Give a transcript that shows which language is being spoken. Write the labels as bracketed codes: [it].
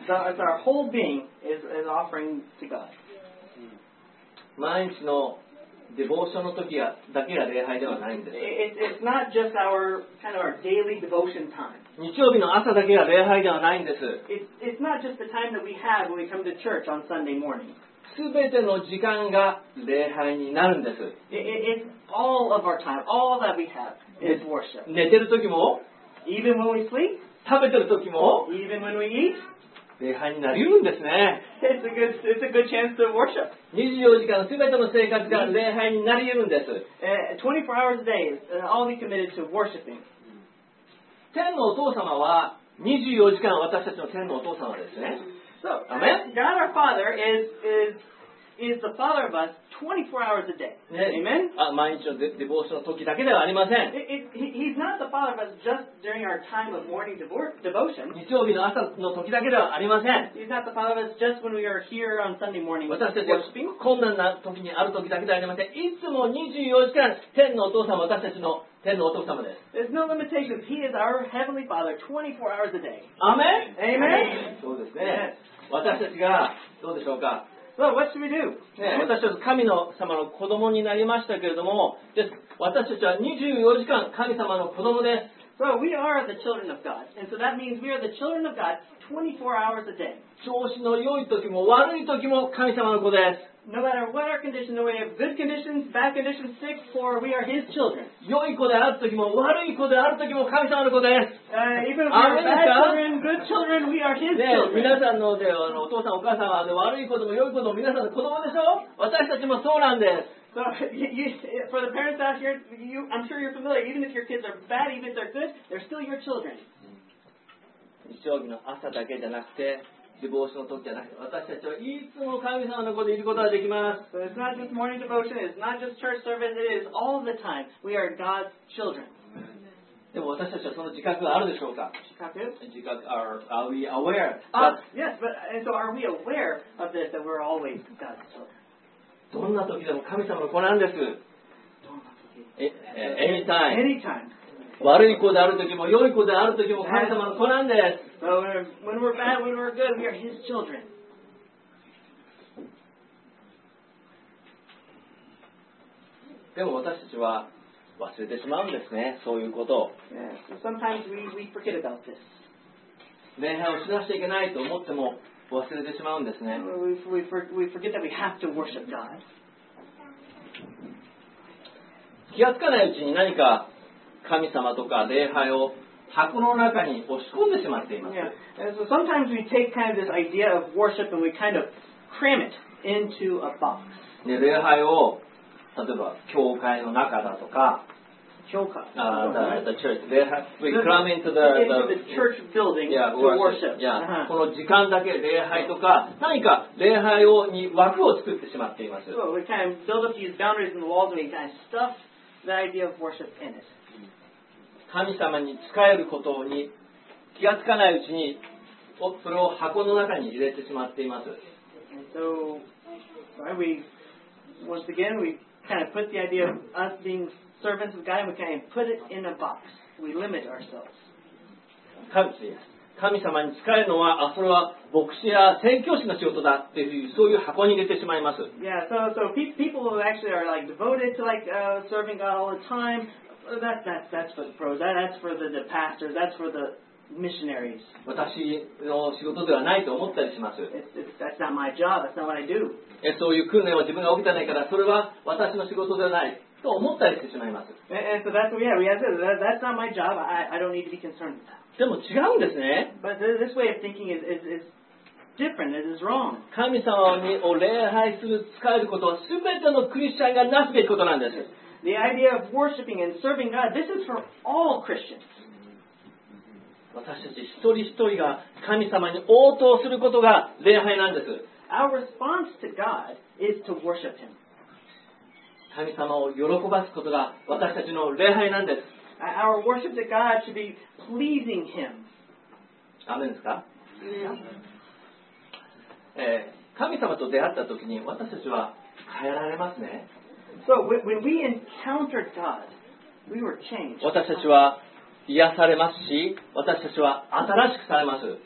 [en] That's our whole being is offering to God. [ja] 毎日のデボーションの時だけが礼拝ではないんです。 [en] It's not just our kind of our daily devotion time. [ja] 日曜日の朝だけが礼拝ではないんです。 [en] It's not just the time that we have when we come to church on Sunday morning. [ja] 全ての時間が礼拝になるんです。 [en] It's all of our time, all that we have is worship. [ja] 寝てる時も、 [en] even when we sleep, [ja] 食べてる時も、 [en] even when we eat. [ja] 礼拝になりうんですね。 [en] It's a good chance to worship. [ja] 24時間すべての生活が礼拝になりうんです。 [en] 24 hours a day, all be committed to worshiping. [ja] 天のお父様は24時間私たちの天のお父様ですね。 [en] So, God our Father is the Father of us 24 hours a day. Amen? [ja] 毎日のデボーションの時だけではありません。 [en] He's not the Father of us just during our time of morning devotion. [ja] 日曜日の朝の時だけではありません。 [en] He's not the Father of us just when we are here on Sunday morning. [ja] 私たちが困難な時にある時だけではありません。いつも24時間、天のお父様、私たちの天のお父様です。 [en] There's no limitations. He is our Heavenly Father 24 hours a day. Amen? Amen? [ja] そうですね。私たちが、どうでしょうか。 [en] So what should we do? [ja] 私たちは神の様の子供になりましたけれども、私たちは24時間神様の子供です。 [en] So we are the children of God. And so that means we are the children of God 24 hours a day. [ja] 調子の良い時も悪い時も神様の子です。 [en] No matter what our condition, the way of good conditions, bad conditions, sick, poor, we are His children. [ja] 良い子である時も悪い子である時も神様の子です。 [en] Even if we are bad children, good children, we are His children. [ja] 皆さんのお父さんお母さんは悪い子でも良い子でも皆さんの子供でしょ？私たちもそうなんです。 [en] So, for the parents out here, I'm sure you're familiar. Even if your kids are bad, even if they're good, they're still your children. [ja] 日曜日の朝だけじゃなくて、デボーションの時じゃなくて、私たちはいつも神様の子でいることができます。 [en] So it's not just morning devotion, it's not just church service, it is all the time. We are God's children. [ja] でも私たちはその自覚があるでしょうか？自覚 [en] are we aware? Yes, but and so are we aware of this, that we're always God's children? [ja] どんな時でも神様の子なんです。どんな時？ [en] Anytime. [ja] 悪い子である時も良い子である時も神様の子なんです。 [en] So when we're bad, when we're good, we are His children. [ja] 私たちは忘れてしまうんですね、そういうことを。 [en] Yeah. So sometimes we forget about this. [ja] 礼拝をしなくちゃいけないと思っても忘れてしまうんですね。 [en] We forget that we have to worship God. [ja] 気がつかないうちに何か神様とか礼拝を箱の中に押し込んでしまっています。 [en] Yeah. And so sometimes we take kind of this idea of worship and we kind of cram it into a box. [ja] ね、礼拝を例えば教会の中だとか、教会、 [en] the church. 礼拝、we cram into the church building to worship. Yeah. Uh-huh. [ja] この時間だけ礼拝とか、何か礼拝をに枠を作ってしまっています。 [en] So we kind of build up these boundaries in the walls and we kind of stuff the idea of worship in it. [ja] 神様に仕えることに気がつかないうちにそれを箱の中に入れてしまっています。 [en] so, we, once again we kind of put the idea of us being servants of God and we kind of put it in a box. We limit ourselves. [ja] 神様に仕えるのはそれは牧師や宣教師の仕事だっていうそういう箱に入れてしまいます。 [en] yeah, so, so people who actually are like devoted to like, serving God all the timeThat's for the pros. That's for the pastors. That's for the missionaries. [ja] 私の仕事ではないと思ったりします。 [en] That's not my job. That's not what I do. [ja] そういう訓練は自分が受けてないから、それは私の仕事ではないと思ったりしてしまいます。 [en] And so that's, yeah, we have this. That's not my job. I don't need to be concerned with that. [ja] でも違うんですね。 [en] But this way of thinking is different. It is wrong. [ja] 神様を礼拝する、仕えることは全てのクリスチャンがなすべきことなんです。 [en] The idea of worshiping and serving God, this is for all Christians. [ja] 私たち一人一人が神様に応答することが礼拝なんです。 [en] Our response to God is to worship Him. [ja] 神様を喜ばすことが私たちの礼拝なんです。 [en] Our worship to God should be pleasing Him. [ja] アメンですか？神様と出会った時に私たちは変えられますね。 [en] So when we encountered God, we were changed. [ja] 私たちは癒されますし、私たちは新しくされます。